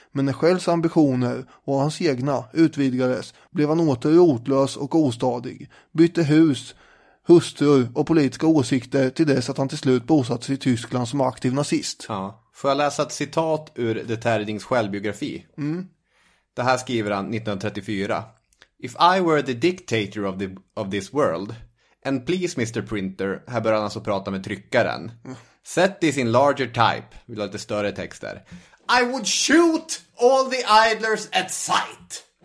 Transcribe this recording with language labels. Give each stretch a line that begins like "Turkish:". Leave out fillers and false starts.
Swedish: Men när Shells ambitioner och hans egna utvidgades blev han åter rotlös och ostadig. Bytte hus, hustru och politiska åsikter till dess att han till slut bosatt sig i Tyskland som aktiv nazist. Ja. Får jag läsa ett citat ur de Terdings självbiografi? Mm. Det här skriver han 1934.
English: If I were the dictator of this world, and please Mr.
Swedish: Printer, här börjar han alltså prata med tryckaren.
English: Set this in larger type,
Swedish: vill ha lite större texter.
English: I would shoot all the idlers at sight.